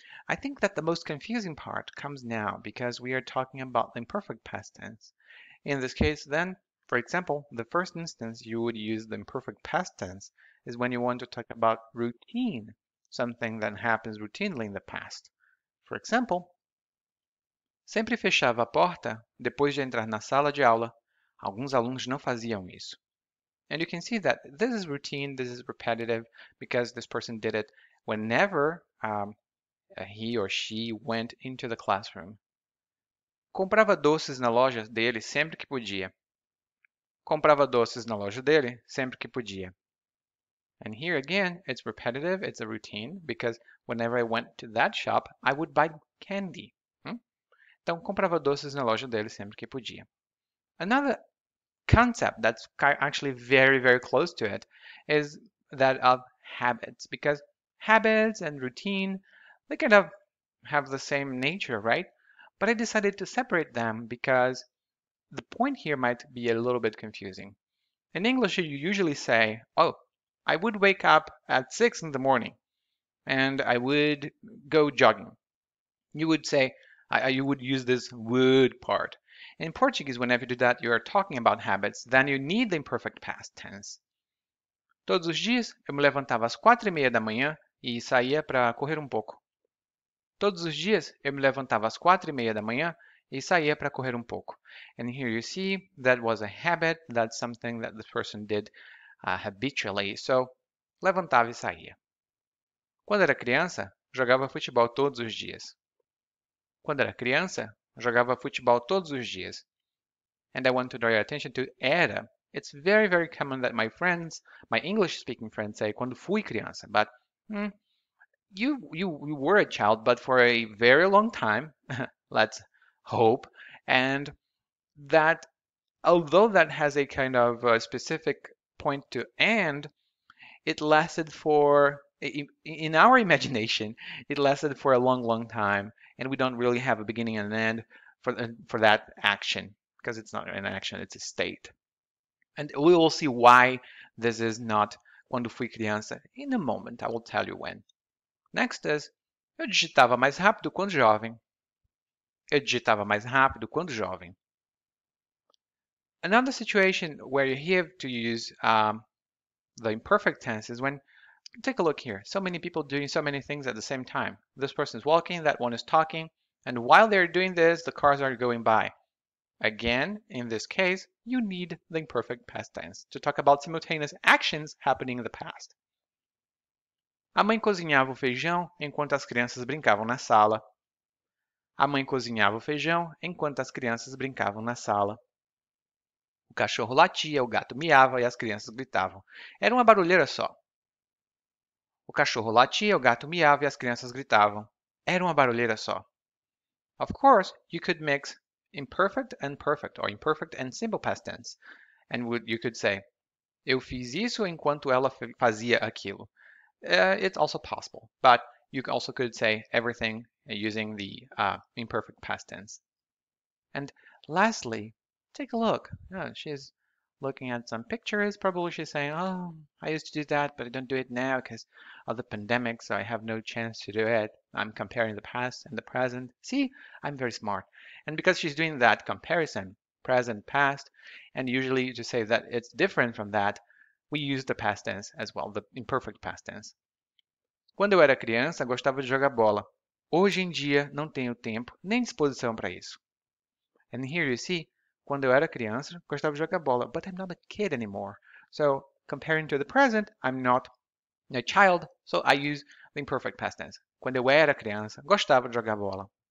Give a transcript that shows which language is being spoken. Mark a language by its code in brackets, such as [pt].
[en] I think that the most confusing part comes now because we are talking about the imperfect past tense. In this case, then, for example, the first instance you would use the imperfect past tense is when you want to talk about routine, something that happens routinely in the past. For example, [pt] sempre fechava a porta depois de entrar na sala de aula. Alguns alunos não faziam isso. [en] And you can see that this is routine, this is repetitive, because this person did it whenever he or she went into the classroom. [pt] Comprava doces na loja dele sempre que podia. Comprava doces na loja dele sempre que podia. [en] And here again, it's repetitive, it's a routine, because whenever I went to that shop, I would buy candy. Então, [pt] comprava doces na loja dele sempre que podia. [en] Another concept that's actually very, very close to it is that of habits, because habits and routine, they kind of have the same nature, right? But I decided to separate them because the point here might be a little bit confusing. In English, you usually say, oh, I would wake up at 6 in the morning and I would go jogging. You would say, you would use this would part. In Portuguese, whenever you do that, you are talking about habits, then you need the imperfect past tense. [pt] Todos os dias, eu me levantava às 4h30 da manhã e saía para correr um pouco. Todos os dias, eu me levantava às 4h30 da manhã e saía para correr um pouco. [en] And here you see, that was a habit, that's something that the person did habitually. So, [pt] levantava e saía. Quando era criança, jogava futebol todos os dias. Quando era criança, jogava futebol todos os dias. [en] And I want to draw your attention to era. It's very, very common that my friends, my English-speaking friends, say [pt] quando fui criança. [en] But you were a child, but for a very long time, let's hope. And that, although that has a kind of a specific point to end, it lasted for, in our imagination, it lasted for a long, long time. And we don't really have a beginning and an end for that action, because it's not an action, it's a state. And we will see why this is not [pt] quando fui criança [en] in a moment. I will tell you when. [pt] Next is, eu digitava mais rápido quando jovem. Eu digitava mais rápido quando jovem. [en] Another situation where you have to use the imperfect tense is when, take a look here, so many people doing so many things at the same time. This person is walking, that one is talking, and while they're doing this, the cars are going by. Again, in this case, you need the imperfect past tense to talk about simultaneous actions happening in the past. [pt] A mãe cozinhava o feijão enquanto as crianças brincavam na sala. A mãe cozinhava o feijão enquanto as crianças brincavam na sala. O cachorro latia, o gato miava e as crianças gritavam. Era uma barulheira só. O cachorro latia, o gato miava e as crianças gritavam. Era uma barulheira só. [en] Of course, you could mix imperfect and perfect, or imperfect and simple past tense. And you could say, [pt] eu fiz isso enquanto ela fazia aquilo. [en] It's also possible, but you also could say everything using the imperfect past tense. And lastly, take a look. Yeah, she's looking at some pictures. Probably she's saying, oh, I used to do that, but I don't do it now because of the pandemic, so I have no chance to do it. I'm comparing the past and the present. See, I'm very smart. And because she's doing that comparison, present, past, and usually to say that it's different from that, we use the past tense as well, the imperfect past tense. [pt] Quando eu era criança, gostava de jogar bola. Hoje em dia, não tenho tempo nem disposição para isso. [en] And here you see, [pt] quando eu era criança, gostava de jogar bola, [en] but I'm not a kid anymore. So, comparing to the present, I'm not a child, so I use the imperfect past tense. [pt] Quando eu era criança, gostava de jogar bola.